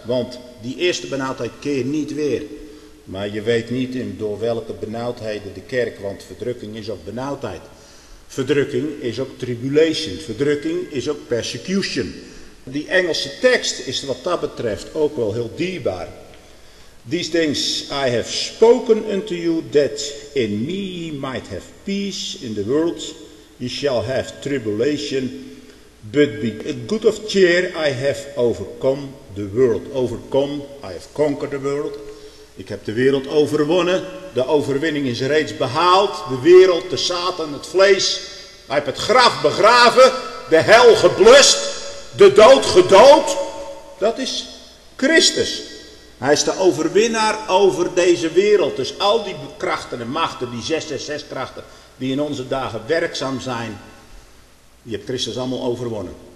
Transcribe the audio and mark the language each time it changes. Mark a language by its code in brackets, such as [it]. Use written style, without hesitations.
[nl] Want die eerste benauwdheid keert niet weer. Maar je weet niet in door welke benauwdheden de kerk, want verdrukking is ook benauwdheid. Verdrukking is ook tribulation, verdrukking is ook persecution. Die Engelse tekst is wat dat betreft ook wel heel dierbaar. [en] These things I have spoken unto you, that in me ye might have peace in the world. Ye shall have tribulation, but be good of cheer, I have overcome the world. Overcome, I have conquered the world. [nl] Ik heb de wereld overwonnen. De overwinning is reeds behaald. De wereld, de Satan, het vlees. Hij heeft het graf begraven. De hel geblust. De dood gedood. Dat is Christus. Hij is de overwinnaar over deze wereld. Dus al die krachten en machten, die 666 krachten, die in onze dagen werkzaam zijn, die heeft Christus allemaal overwonnen.